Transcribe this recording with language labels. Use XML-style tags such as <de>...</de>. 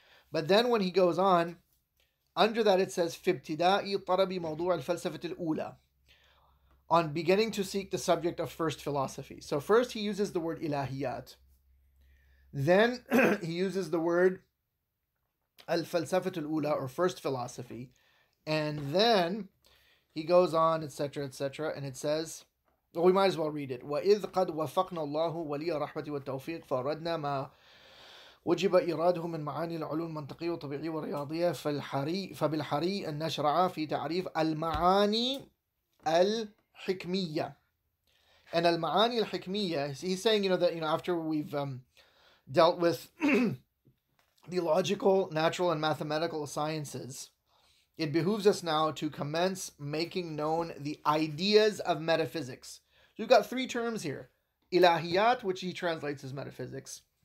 <en>But then when he goes on under that, it says</en> <ar>fibtida'i tarabi mawdu' al-falsafati al-ula,</ar> <en>on beginning to seek the subject of first philosophy. So first he uses the word ilahiyat. Then he uses the word al-falsafat al-ula, or first philosophy. And then he goes on, etc., etc. And it says, well, we might as well read it.</en> <ar>وَإِذْ قَدْ وَفَقْنَا اللَّهُ وَلِيَ رَحْمَةِ وَالتَّوْفِيقِ فَرَدْنَا مَا وجب إراده من معاني العلوم المنطقية والطبيعية والرياضية فبالحري أن نشرع في تعريف المعاني ال Hikmiyya.</ar> <en>And al-ma'ani al-hikmiyya, he's saying, you know, that, you know, after we've dealt with the logical, natural, and mathematical sciences, it behooves us now to commence making known the ideas of metaphysics. So we've got 3 terms here. Ilahiyat, which he translates as metaphysics.</en>